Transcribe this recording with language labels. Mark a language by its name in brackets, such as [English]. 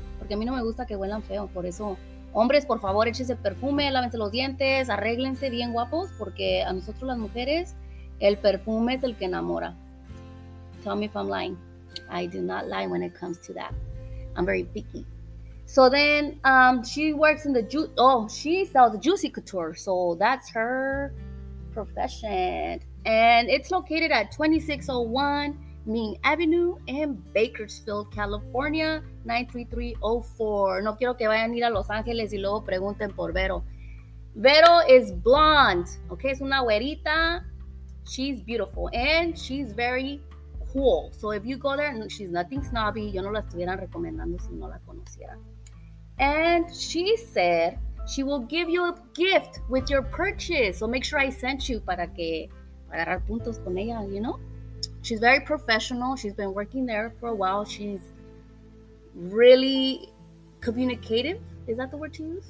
[Spanish] Porque a mí no me gusta que huelan feo. Por eso, hombres, por favor, échense perfume, lávense los dientes, arréglense bien guapos. Porque a nosotros las mujeres, el perfume es el que enamora. [English] Tell me if I'm lying. I do not lie when it comes to that. I'm very picky. So then, she works in the she sells Juicy Couture. So that's her profession. And it's located at 2601 Mean Avenue in Bakersfield, California, 93304. [Spanish] No quiero que vayan a ir a Los Ángeles y luego pregunten por Vero. [English] Vero is blonde. Okay, [Spanish] es una güerita. [English] She's beautiful and she's very cool. So if you go there, she's nothing snobby. [Spanish] Yo no la estuvieran recomendando si no la conociera. [English] And she said she will give you a gift with your purchase. So make sure I sent you [Spanish] para agarrar puntos con ella, [English] you know? She's very professional. She's been working there for a while. She's really communicative. Is that the word to use?